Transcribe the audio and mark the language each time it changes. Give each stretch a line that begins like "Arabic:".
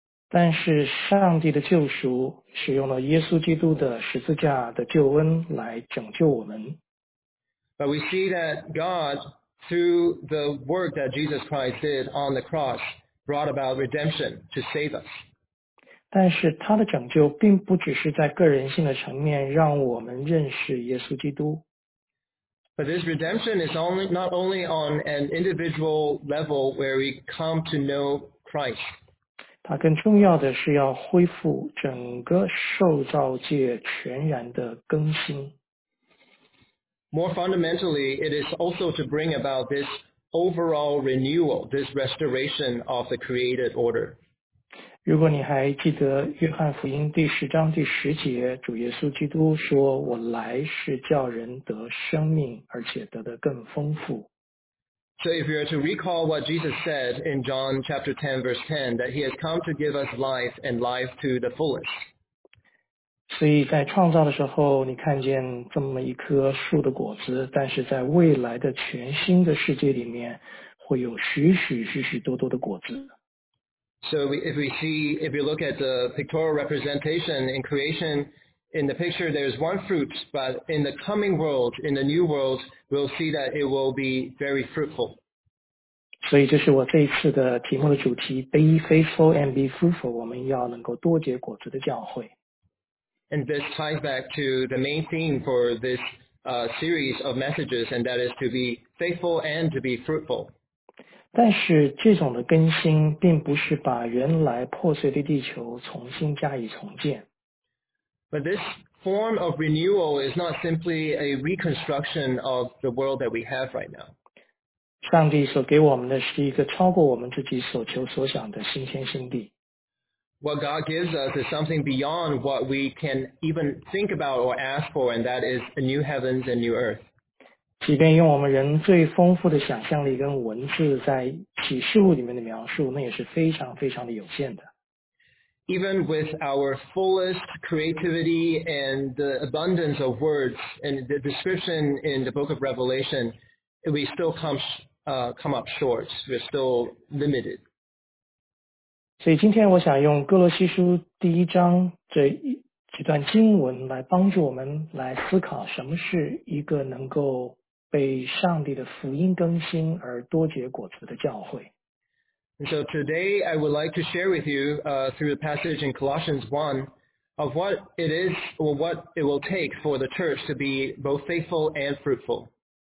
Chinese: 但是上帝的救赎使用了耶稣基督的十字架的救恩来拯救我们。
English: But we see that God, through the work that Jesus Christ did on the cross, brought about redemption to save us.
Chinese: 但是他的拯救并不只是在个人性的层面让我们认识耶稣基督。
English: But this redemption is not only on an individual level where we come to know Christ.
Chinese: 它更重要的是要恢复整个受造界全然的更新。
English: More fundamentally, it is also to bring about this overall renewal, this restoration of the created order.
Chinese: 如果你还记得约翰福音第十章第十节，主耶稣基督说，我来是叫人得生命，而且得的更丰富。
English: So if you are to recall what Jesus said in John chapter 10 verse 10, that he has come to give us life and life to the fullest.
Chinese: 所以在创造的时候你看见这么一棵树的果子，但是在未来的全新的世界里面会有许许许许多多的果子。
English: So if we look at the pictorial representation in creation, in the picture there's one fruit, but in the coming world, in the new world, we'll see that it will be very fruitful.
Chinese: 所以这是我这一次的题目的主题
English: Be faithful and be fruitful,
Chinese: 我们要能够多结果子的教会。
English: And this ties back to the main theme for this series of messages, and that is to be faithful and to be fruitful.
Chinese: 但是这种的更新并不是把原来破碎的地球重新加以重建。
English: But this form of renewal is not simply a reconstruction of the world that we have right now.
Chinese: 上帝所给我们的是一个超过我们自己所求所想的新天新地。
English: What God gives us is something beyond what we can even think about or ask for, and that is a new heavens and new earth.
Chinese: 即便用我们人最丰富的想象力跟文字在启示录里面的描述，那也是非常非常的有限的。
English: Even with our fullest creativity and the abundance of words and the description in the book of Revelation,we still come up short, we're still limited.
Chinese: 所以今天我想用哥罗西书第一章这一段经文来帮助我们来思考什么是一个能够被上帝的福音更新而多结果子的教会。
English: And so today I would like to share with you through the passage in Colossians 1 of what it is or what it will take for the church to be both faithful and fruitful.